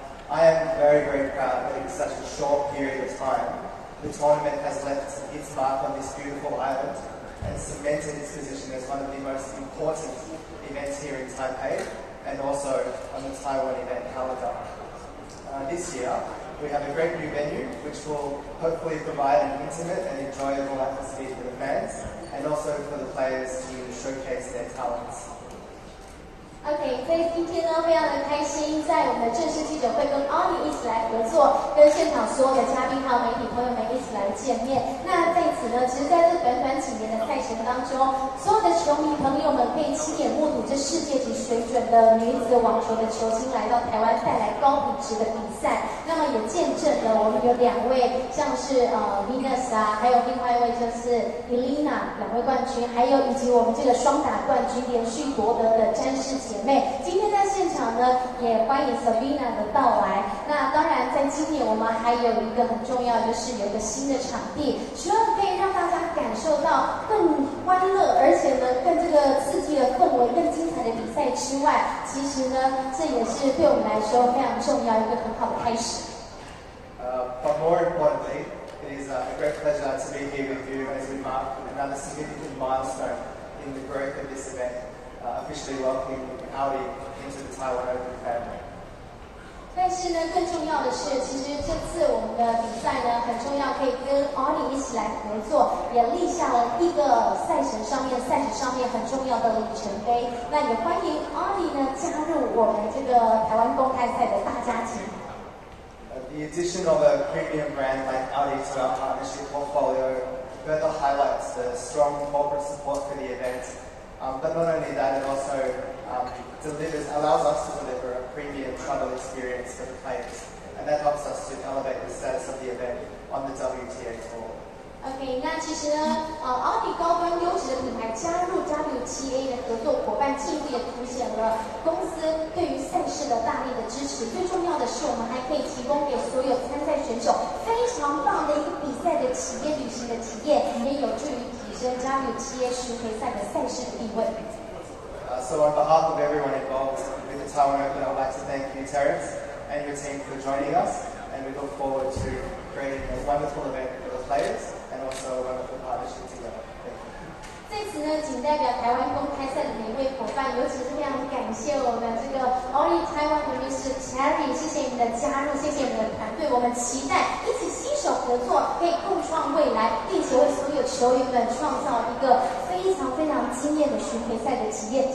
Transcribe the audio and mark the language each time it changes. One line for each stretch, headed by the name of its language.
English: I am very, very proud that in such a short period of time, the tournament has left its mark on this beautiful island, and cemented its position as one of the most important events here in Taipei, and also on the Taiwan event calendar. This year, we have a great new venue, which will hopefully provide an intimate and enjoyable atmosphere for the fans, and also for the players to showcase their talents.
Chinese: Okay， 所以今天呢非常的开心，在我们的正式记者会跟奥迪一起来合作，跟现场所有的嘉宾还有媒体朋友们一起来见面。那在此呢，其实在这短短几年的赛程当中，所有的球迷朋友们可以亲眼目睹这世界级水准的女子网球的球星来到台湾带来高品质的比赛，那么也见证了我们有两位像是Venus 啊，还有另外一位就是 Elena 两位冠军，还有以及我们这个双打冠军连续夺得的詹士姐妹，今天在现场呢也欢迎 Sabina 的到来。那当然在今年我们还有一个很重要，就是有一个新的场地，希望可以让大家感受到更欢乐，而且呢更这个刺激的氛围，更精彩的比赛之外，其实呢这也是对我们来说非常重要一个很好的开始。
English: But more importantly, it is a great pleasure to be here with you as we mark another significant milestone in the growth of this event. Officially welcoming Audi into the Taiwan Open family.
Chinese: 但是呢，更重要的是，其实这次我们的比赛呢，很重要，可以跟 Audi 一起来合作，也立下了一个赛程上面很重要的里程碑。那也欢迎 Audi 呢加入我们这个台湾公开赛的大家庭。
English: The addition of a premium brand like Audi to our partnership portfolio we had to highlight the strong corporate support for the event. But not only that, it also allows us to deliver a premium travel experience for the players. And that helps us to elevate the status of the event on the WTA tour.
Chinese: Okay, 那其实呢，奥迪高端优质的品牌加入 WTA 的合作伙伴记录，也凸显了公司对于赛事的大力的支持。最重要的是，我们还可以提供给所有参赛选手非常棒的一个比赛的体验、旅行的体验，也有助于提升 WTA 世锦赛的赛事地位。
English: So on behalf of everyone involved with the Taiwan Open, I'd like to thank you, Terence, and your team for joining us, and we look forward to creating a wonderful event for the players.
Chinese: 在此呢，请代表台湾公开赛的每一位伙伴，尤其是非常感谢我们这个 Only Taiwan 的律师 Terry， 谢谢你的加入，谢谢你的团队，我们期待一起携手合作，可以共创未来，并且为所有球员们创造一个非常非常惊艳的巡回赛的体验。